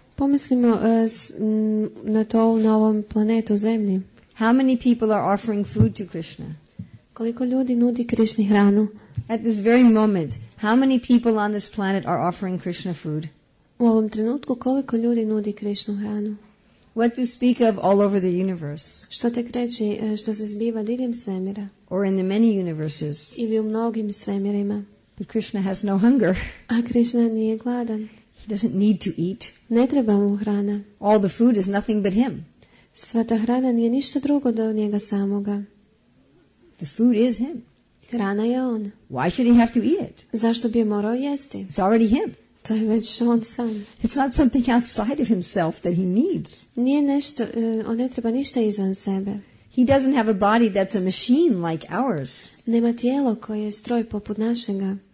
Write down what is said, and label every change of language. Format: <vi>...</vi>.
<hr>Pomislimo na to na ovom planetu Zemlji.</hr> <en>How many people are offering food to Krishna?</en> <hr>Koliko ljudi nudi Krishni hranu?</hr> <en>At this very moment, how many people on this planet are offering Krishna food?</en> <hr>У ovom trenutku koliko ljudi nudi Krishna hranu?</hr> <en>What to speak of all over the universe?</en> <hr>Što tek reći što se zbiva diljem svemira?</hr> <en>Or in the many universes?</en> <hr>Ili u mnogim svemirima?</hr> <en>But Krishna has no hunger.</en> <hr>A Krishna nije gladan.</hr> <en>He doesn't need to eat.</en> <hr>Ne treba mu hrana.</hr> <en>All the food is nothing but him.</en> <hr>Sva ta hrana nije ništa drugo do njega samoga.</hr> <en>The food is him.</en> <hr>Hrana je on.</hr> <en>Why should he have to eat it?</en> <hr>Zašto bi je morao jesti?</hr> <en>It's already him.</en> <hr>To je već on sam.</hr> <en>It's not something outside of himself that he needs.</en> <hr>Nije nešto, on ne treba ništa izvan sebe.</hr> <en>He doesn't have a body that's a machine like ours.</en> <hr>Nema tijelo koje je stroj poput našega.</hr>